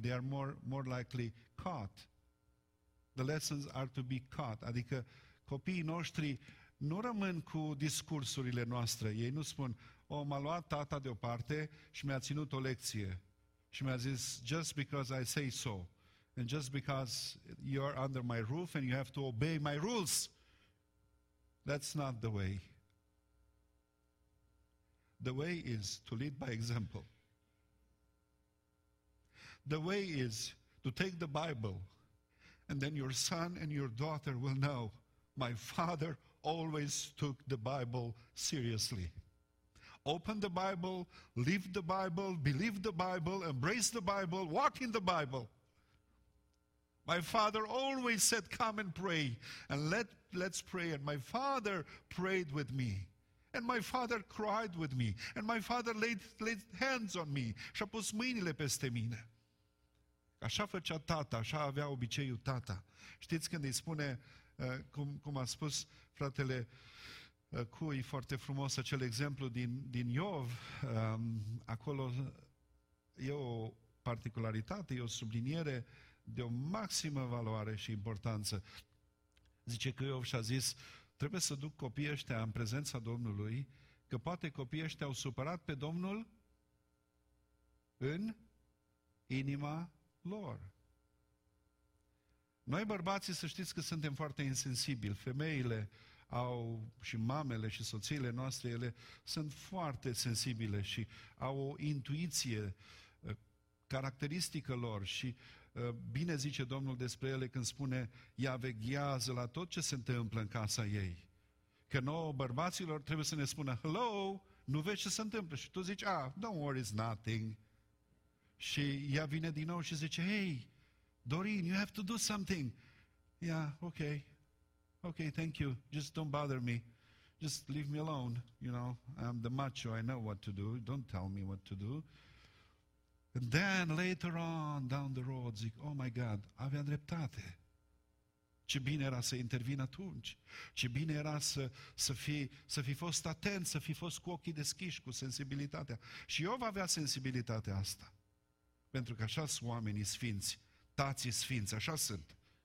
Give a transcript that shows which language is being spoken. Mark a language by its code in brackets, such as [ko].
[en] They are more likely caught. The lessons are to be caught. [ro] Adică copiii noștri nu rămân cu discursurile noastre. Ei nu spun, oh, m-a luat tata deoparte și mi-a ținut o lecție. Și mi-a zis, [en] just because I say so. And just because you are under my roof and you have to obey my rules. That's not the way. The way is to lead by example. The way is to take the Bible and then your son and your daughter will know my father always took the Bible seriously. Open the Bible, live the Bible, believe the Bible, embrace the Bible, walk in the Bible. My father always said, come and pray and let's pray. And my father prayed with me. And my father cried with me. And my father laid hands on me. [ro] Și-a pus mâinile peste mine. Așa făcea tata, așa avea obiceiul tata. Știți când îi spune, cum a spus fratele Cui, foarte frumos acel exemplu din Iov, acolo e o particularitate, e o subliniere de o maximă valoare și importanță. Zice că Iov și-a zis, trebuie să duc copiii ăștia în prezența Domnului, că poate copiii ăștia au supărat pe Domnul în inima lor. Noi bărbații să știți că suntem foarte insensibili. Femeile au, și mamele și soțiile noastre, ele sunt foarte sensibile și au o intuiție caracteristică lor și bine zice Domnul despre ele când spune ea veghează la tot ce se întâmplă în casa ei. Că nouă bărbaților trebuie să ne spună hello, nu vezi ce se întâmplă? Și tu zici, [en] ah, don't worry, it's nothing. [ro] Și ea vine din nou și zice, [en] hey, Dorin, you have to do something. Yeah, okay. Okay, thank you. Just don't bother me. Just leave me alone, you know. I'm the macho, I know what to do. Don't tell me what to do. And then, later on, down the road, zic, oh my God, [ro] avea dreptate. Ce bine era să intervin atunci. Ce bine era să fi fost atent, să fi fost cu ochii deschiși, cu sensibilitatea. Și eu avea sensibilitatea asta. Pentru că așa sunt oamenii sfinți, tații sfinți, așa sunt.